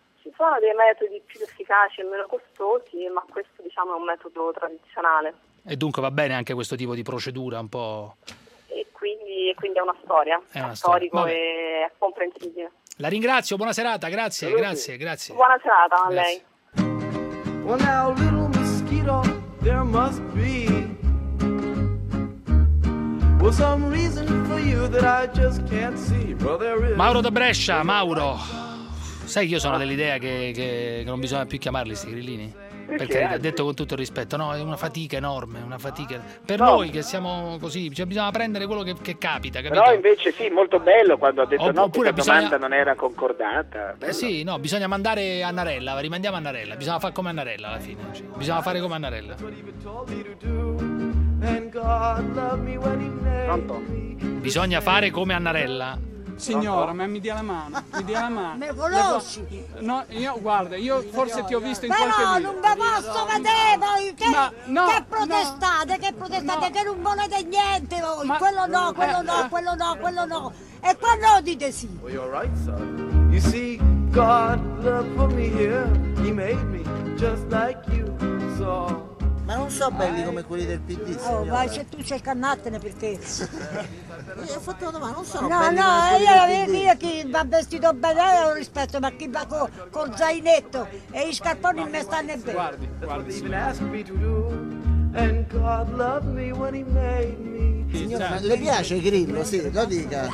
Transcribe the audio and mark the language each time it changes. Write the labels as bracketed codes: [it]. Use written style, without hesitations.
[it] Ci sono dei metodi più efficaci e meno costosi, ma questo, diciamo, è un metodo tradizionale. E dunque va bene anche questo tipo di procedura un po'. E quindi è una storia. È storico. E è comprensibile. La ringrazio, buona serata, grazie. Buona serata a lei. [en] There must be some reason for you that I just can't see. [it] Mauro da Brescia, Mauro. Sai che io sono dell'idea che non bisogna più chiamarli sti grillini? Perché ha detto con tutto il rispetto, no, è una fatica enorme, noi che siamo così, cioè bisogna prendere quello che capita, capito? Però invece sì, molto bello quando ha detto domanda non era concordata. Bisogna mandare Annarella, rimandiamo Annarella, bisogna fare come Annarella alla fine, bisogna fare come Annarella. Pronto? Bisogna fare come Annarella. Signora, ma mi dia la mano. Me conosci? No, io forse ti ho visto in qualche video. Però non vi posso vedere voi, che protestate, che non volete niente voi. Ma, quello no. E quando dite sì. [en] Well, you're right, son. You see, God love for me here. He made me just like you, so... [it] Ma non so belli come quelli del PD, signora. Oh, vai, se tu c'è il cannattene per te. Io ho fatto una domanda, non sono belli come quelli del PD. No, io dire chi va vestito bene, io lo rispetto, ma chi va col zainetto e i scarponi mi stanno bene. Guardi, signora, esatto. Le piace Grillo? Sì, lo dica.